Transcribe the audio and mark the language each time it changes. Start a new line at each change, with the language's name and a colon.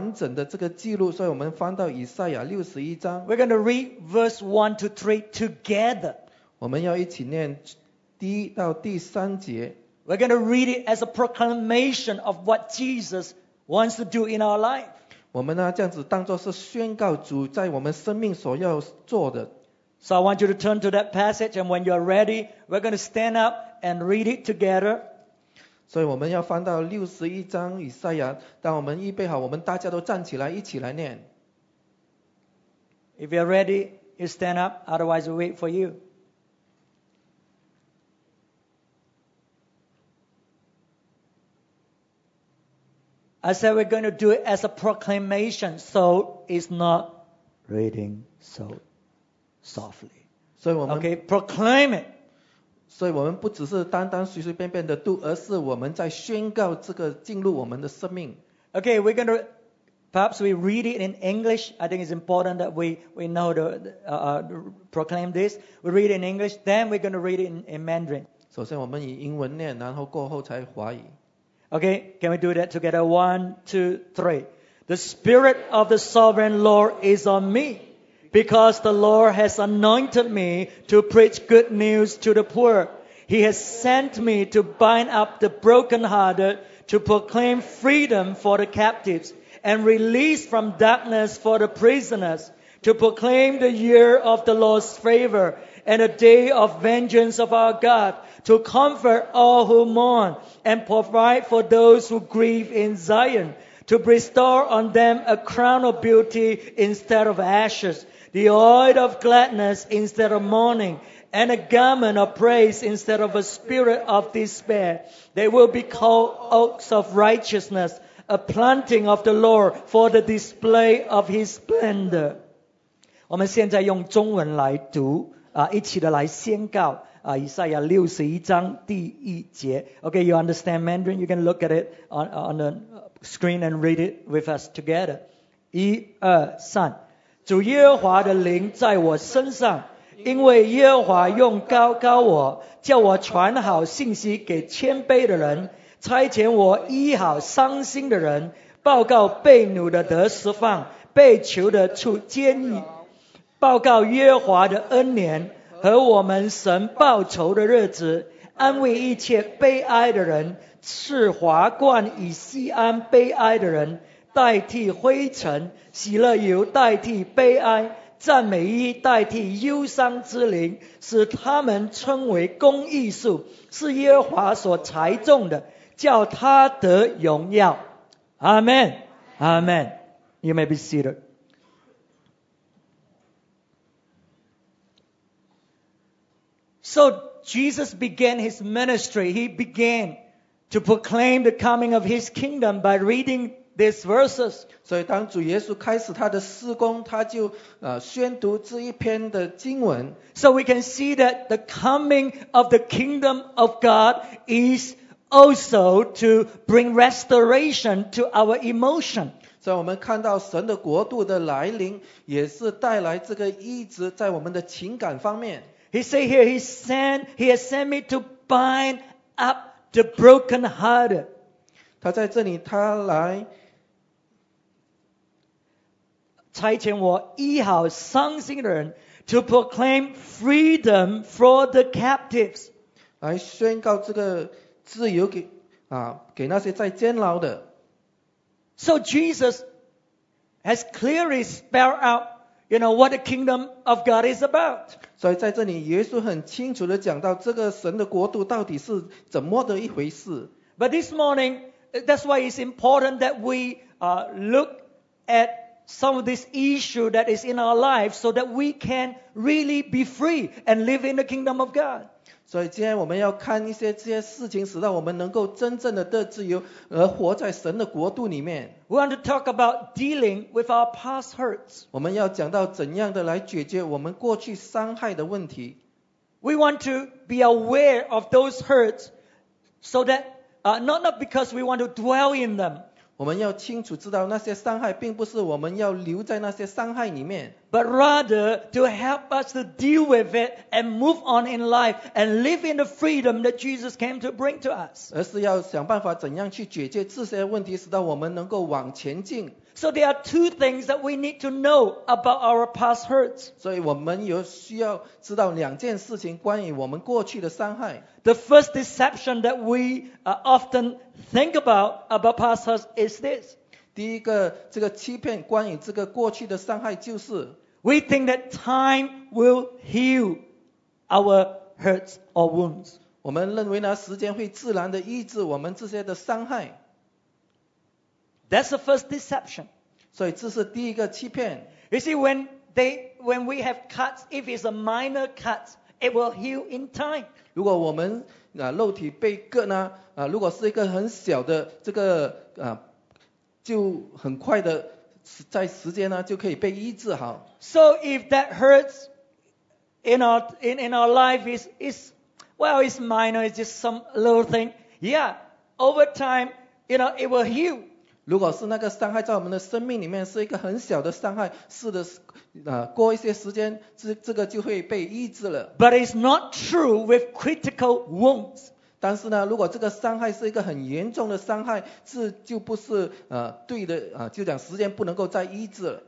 Chinese: 但是今天我觉得我们要看它整篇的这个完整的这个记录，所以我们翻到以赛亚61章。
English: We're going to read verse 1 to 3 together.
Chinese: 我们要一起念第1到第3节。
English: We're going to read it as a proclamation of what Jesus wants to do in our life.
Chinese: 我们呢，这样子当作是宣告主在我们生命所要做的。
English: So I want you to turn to that passage, and when you're ready, we're going to stand up and read it together.
Chinese: 所以我们要翻到61章以赛亚，当我们预备好，我们大家都站起来，一起来念。
English: If you're ready, you stand up, otherwise we wait for you. I said we're going to do it as a proclamation, so it's not reading so softly. Okay, proclaim it.
Chinese: 所以我们不只是单单随随便便的读，而是我们在宣告这个进入我们的生命。
English: Okay, we're going to perhaps we read it in English. I think it's important that we know the proclaim this. We read it in English, then we're going to read it in Mandarin.
Chinese: 首先我们以英文念，然后过后才华语。
English: Okay, can we do that together? 1, 2, 3. The Spirit of the Sovereign Lord is on me, because the Lord has anointed me to preach good news to the poor. He has sent me to bind up the brokenhearted, to proclaim freedom for the captives, and release from darkness for the prisoners, to proclaim the year of the Lord's favor and a day of vengeance of our God, to comfort all who mourn and provide for those who grieve in Zion, to bestow on them a crown of beauty instead of ashes, the oil of gladness instead of mourning, and a garment of praise instead of a spirit of despair. They will be called oaks of righteousness, a planting of the Lord for the display of His splendor.
Chinese: 我们现在用中文来读、一起的来宣告、以赛亚六十一章第一节。
English: OK, you understand Mandarin? You can look at it on the screen and read it with us together.
Chinese: 一二三，主耶和华的灵在我身上，因为耶和华用膏膏我，叫我传好信息给谦卑的人，差遣我医好伤心的人，报告被掳的得释放，被囚的出监狱，报告耶和华的恩年和我们神报仇的日子，安慰一切悲哀的人，赐华冠以西安悲哀的人，代替灰尘，喜乐油代替悲哀，赞美衣代替忧伤之灵，使他们称为公义树，是耶和华所裁种的，叫他得荣耀。
English: Amen. Amen. You may be seated. So Jesus began his ministry. He began to proclaim the coming of his kingdom by reading these verses.
Chinese: 所以当主耶稣开始他的事工，他就宣读这一篇的经文。
English: So we can see that the coming of the kingdom of God is also to bring restoration to our emotion.
Chinese: 所以我们看到神的国度的来临也是带来这个医治在我们的情感方面。
English: He said here, he has sent me to bind up the broken hearted.
Chinese: 他在这里他来差遣我医好伤心的人，
English: to proclaim freedom for the captives.
Chinese: 来宣告这个自由 给那些在监牢的。
English: So Jesus has clearly spelled out, you know, what the kingdom of God is about.
Chinese: 所以在这里耶稣很清楚地讲到这个神的国度到底是怎么的一回事。
English: But this morning, that's why it's important that we look at some of this issue that is in our life so that we can really be free and live in the kingdom of God.
Chinese: 所以今天我们要看一些这些事情，使到我们能够真正的得自由而活在神的国度里面。
English: We want to talk about dealing with our past hurts.
Chinese: 我们要讲到怎样的来解决我们过去伤害的问题。
English: We want to be aware of those hurts so that not because we want to dwell in them.
Chinese: 我们要清楚知道那些伤害并不是我们要留在那些伤害里面。
English: But rather to help us to deal with it and move on in life and live in the freedom that Jesus came to bring to us.
Chinese: 而是要想办法怎样去解决这些问题，使到我们能够往前进。
English: So there are two things that we need to know about our past hurts.
Chinese: 所以我们有需要知道两件事情关于我们过去的伤害。
English: The first deception that we often think about past hurts is this.
Chinese: 第一个这个欺骗关于这个过去的伤害就是
English: We think that time will heal our hurts or wounds.
Chinese: 我们认为呢时间会自然地医治我们这些的伤害。
English: That's the first deception.
Chinese: 所以这是第一个欺骗。
English: You see, when we have cuts, if it's a minor cut, it will heal in time.
Chinese: 如果我们肉体被割呢，如果是一个很小的这个就很快的在时间呢就可以被医治好。
English: So if that hurts in our life is minor, it's just some little thing. Yeah, over time, you know, it will heal.
Chinese: 如果是那个伤害在我们的生命里面是一个很小的伤害，是的，过一些时间，这个就会被医治了。
English: But it's not true with critical wounds.
Chinese: 但是呢，如果这个伤害是一个很严重的伤害，这就不是对的就讲时间不能够再医治了。